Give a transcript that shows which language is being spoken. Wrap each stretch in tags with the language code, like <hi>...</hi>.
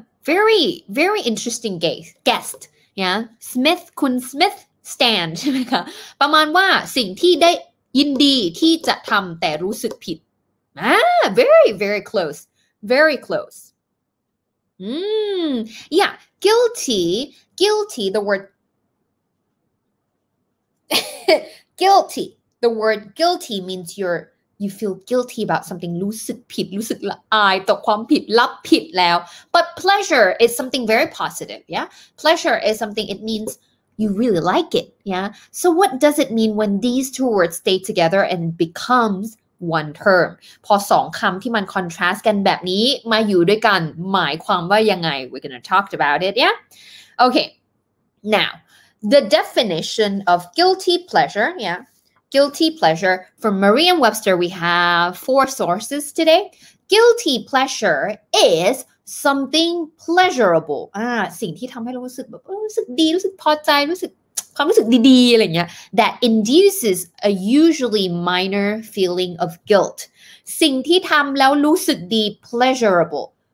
<en>very very interesting guest yeah</en> <th>smith คุณ smith stand ใช่ไหมคะประมาณว่าสิ่งที่ได้ยินดีที่จะทำแต่รู้สึกผิด</th> <en>very very closeVery close. Yeah, guilty, the word guilty. The word guilty means you feel guilty about something.</en> <th>รู้สึกผิด รู้สึกละอายต่อความผิด รับผิดแล้ว.</th> <en>But pleasure is something very positive, yeah? Pleasure is something, it means you really like it, yeah? So what does it mean when these two words stay together and becomes... One term</en> <th>พอสองคำที่มัน contrast กันแบบนี้มาอยู่ด้วยกันหมายความว่ายังไง</th> <en>We're gonna talk about it yeah okay now the definition of guilty pleasure yeah guilty pleasure from Merriam-Webster we have four sources today guilty pleasure is something pleasurable</en> <th>สิ่งที่ทำให้เรารู้สึกแบบรู้สึกดีรู้สึกพอใจรู้สึกความรู้สึกดีๆอะไรเงี้ย</th> <en>that induces a usually minor feeling of guilt</en> <th>สิ่งที่ทำแล้วรู้สึกดี</th> <en>pleasurable</en>